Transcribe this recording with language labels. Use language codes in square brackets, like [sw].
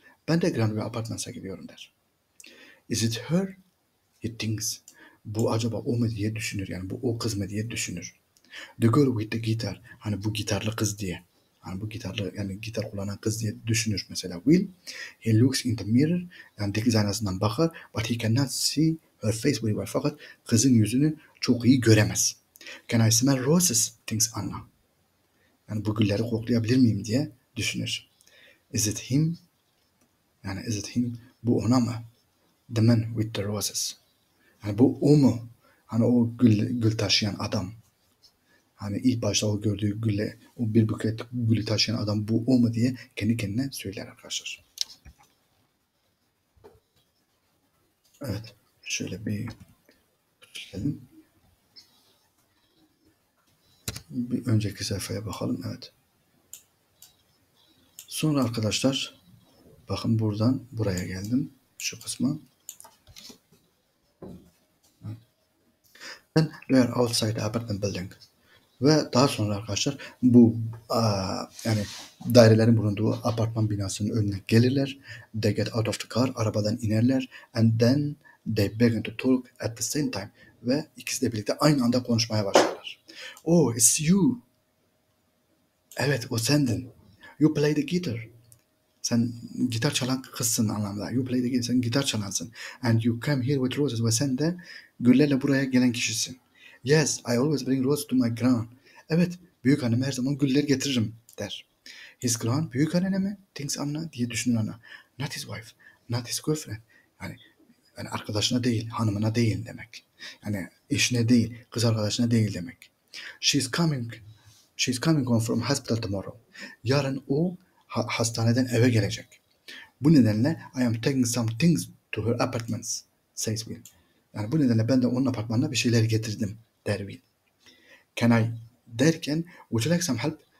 [tr] Ben de Greenview Apartments'a gidiyorum der. [en] Is it her? He thinks. [tr] Bu acaba o mu diye düşünür. Yani bu o kız mı diye düşünür. [en] The girl with the guitar. [tr] Hani bu gitarlı kız diye. Yani bu gitarlı, yani gitar kullanan kız diye düşünür mesela Will. [en] He looks in the mirror. [tr] Yani dikiz aynasından bakar. [en] But he cannot see her face very well. [tr] Fakat kızın yüzünü çok iyi göremez. [en] Can I smell roses? Thinks Anna. [tr] Yani bu gülleri koklayabilir miyim diye düşünür. [en] Is it him? [tr] Yani [en] is it him? [tr] Bu ona mı? [en] The man with the roses. [tr] Yani bu o mu? Hani o gül taşıyan adam. Hani ilk başta o gördüğü gülle, o bir buket gülü taşıyan adam bu o mu diye kendi kendine söyler arkadaşlar. Evet. Şöyle bir geçelim. Bir önceki sayfaya bakalım. Evet. Sonra arkadaşlar bakın buradan buraya geldim. Şu kısmı. [en] Then they are outside the apartment building. [tr] Ve daha sonra arkadaşlar bu yani dairelerin bulunduğu apartman binasının önüne gelirler. [en] They get out of the car. [tr] Arabadan inerler. [en] And then they begin to talk at the same time. [tr] Ve ikisi de birlikte aynı anda konuşmaya başlarlar. [en] Oh, it's you. [tr] Evet, o sendin. [en] You play the guitar. [tr] Sen gitar çalan kızsın anlamda. [en] You play the guitar. [tr] Sen gitar çalansın. [en] And you come here with roses. [tr] Ve sen de güllerle buraya gelen kişisin. [en] Yes, I always bring roses to my grand. [tr] Evet, büyük annem her zaman güller getiririm der. [en] His grand, [tr] büyük annene mi? [en] Thinks Anna [tr] diye düşünür Anna. [en] Not his wife, not his girlfriend. [tr] Yani arkadaşına değil, hanımına değil demek. Yani eşine değil, kız arkadaşına değil demek. [en] She's coming home from hospital tomorrow. [tr] Yarın o hastaneden eve gelecek. Bu nedenle [en] I am taking some things to her apartments, says Will. [tr] Yani bu nedenle ben de onun apartmanına bir şeyler getirdim der Will. Can I derken [en] would you like some help?